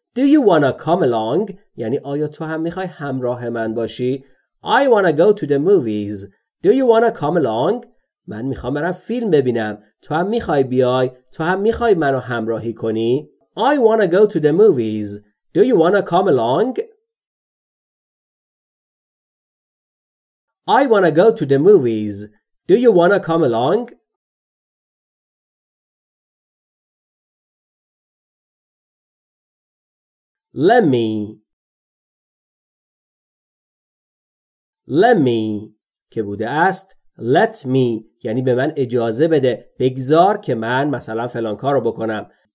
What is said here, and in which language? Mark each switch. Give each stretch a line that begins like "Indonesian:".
English: Do you wanna come along؟
Persian: یعنی آیا تو هم میخوای همراه من باشی؟
English: I wanna go to the movies. Do you wanna come along؟
Persian: من میخوام برم فیلم ببینم. تو هم میخوای بیای؟ تو هم میخوای منو همراهی کنی؟
English: I wanna go to the movies. Do you wanna come along؟ I wanna go to the movies. Do you wanna come along؟ Let me
Persian: که بوده است
English: let me
Persian: یعنی به من اجازه بده بگذار که من مثلا فلان کار رو بکنم